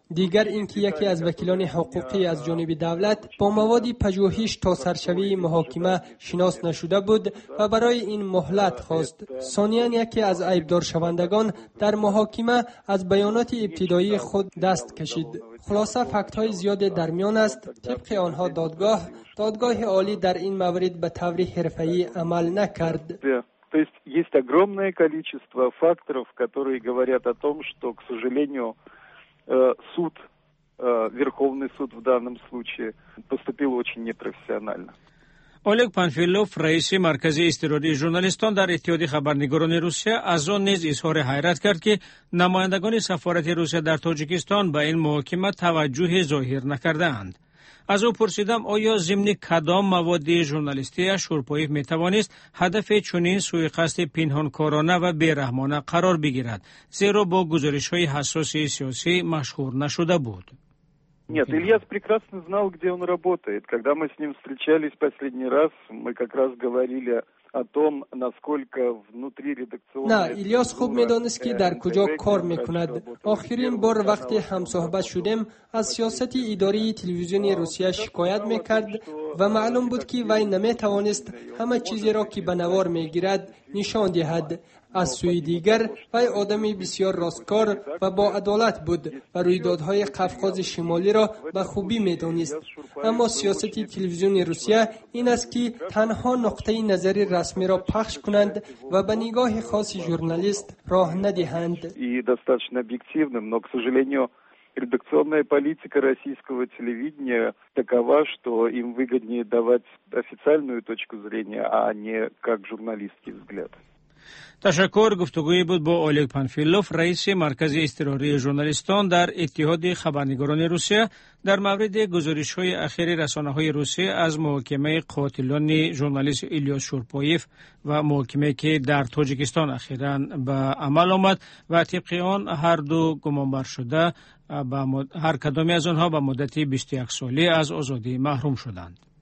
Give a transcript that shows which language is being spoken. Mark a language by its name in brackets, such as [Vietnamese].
[Persian] دیگر اینکه یکی از وکیلان حقوقی از جانب دولت با مواد پژوهش تا سرشوی محاکمه شناس نشده بود و برای این مهلت خواست. ثانیاً یکی از عیبدار شوندگان در محاکمه از بیانات ابتدایی خود دست کشید. خلاصه فکت‌های زیاده در میان است. طبق آنها دادگاه عالی در این مورد به طور حرفه‌ای عمل نکرد. [Russian] То есть есть огромное количество факторов, которые говорят о том, что, к сожалению, суд, Верховный суд в данном случае поступил очень непрофессионально. [Persian] Олег Панфилов, رئیس مرکز اضطراری ژورنالیستان در اتحاد خبرنگاران روسیه، از آن نیز اظهار حیرت کرد که نمایندگان سفارت روسیه در تاجیکستان به این محاکمه توجه ظاهر نکردند. از او پرسیدم آیا ضمن کدام مواد ژورنالیستی شورپایف می توانست هدف چنین سوءقصد پنهانکارانه و بی‌رحمانه قرار بگیرد، زیرا با گزارش های حساس سیاسی مشهور نشده بود. [Russian] Нет, Илья прекрасно знал, где он работает. Когда мы с ним встречались последний раз, мы как раз говорили о том, насколько внутри редакционная структура. [Tajik] Да, Ильяс хуб медонист, ки дар куҷо кор мекунад. Охирин бор вақти ҳамсоҳбат шудем, аз сиёсати идории телевизиони Русия шикоят мекард ва маълум буд, ки вай наметавонист ҳама чизеро, ки ба навор мегирад, нишон диҳад. [Persian] از سوی دیگر وی آدمی بسیار راستکار و با عدالت بود و رویدادهای قفقاز شمالی را به خوبی می‌دانست. اما سیاست تلویزیون روسیه این است که تنها نقطه نظر رسمی را پخش کنند و به نگاه خاص ژورنالیست راه ندهند. [Russian] و достаточно объективным, но, к сожалению, редакционная политика российского телевидения такова, что им выгоднее давать официальную точку зрения, а не как журналистский взгляд. [Persian] تشکر. گفتگویی بود با اولگ پانفیلوف، رئیس مرکز اضطراری ژورنالیستان در اتحاد خبرنگاران روسیه، در مورد گزارش های اخیر رسانه های روسیه از محاکمه قاتلان ژورنالیست ایلیا شورپایف و محاکمه که در تاجیکستان اخیرا به عمل آمد و طبق آن هر دو گمانبر شده هر کدامی از آنها به مدتی 21 سالی از آزادی محروم شدند.